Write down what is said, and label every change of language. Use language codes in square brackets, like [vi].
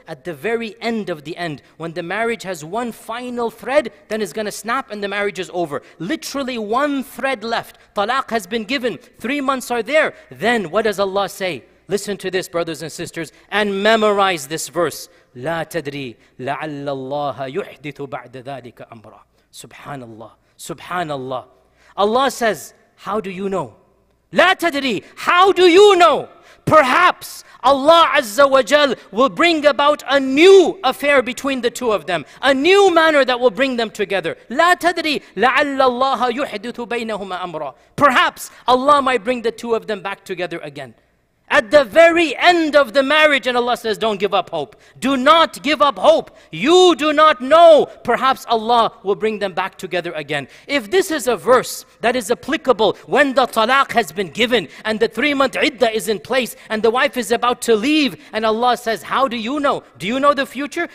[en] At the very end of the end. When the marriage has one final thread, then it's going to snap and the marriage is over. Literally one thread left. Talaq has been given. 3 months are there. Then, what does Allah say? Listen to this, brothers and sisters, and memorize this verse. [ar] لا تدري لعل الله يحدث بعد ذلك أمرا. سبحان الله. سبحان الله. [en] Allah says, how do you know? [ar] لا تدري. [en] How do you know? Perhaps Allah Azza wa Jal will bring about a new affair between the two of them, a new manner that will bring them together. [ar] لا تدري لعل الله يحدث بينهما أمرا. [en] Perhaps Allah might bring the two of them back together again. At the very end of the marriage, and Allah says, don't give up hope. Do not give up hope. You do not know. Perhaps Allah will bring them back together again. If this is a verse that is applicable when the talaq has been given and the 3 month iddah is in place and the wife is about to leave, and Allah says, how do you know? Do you know the future?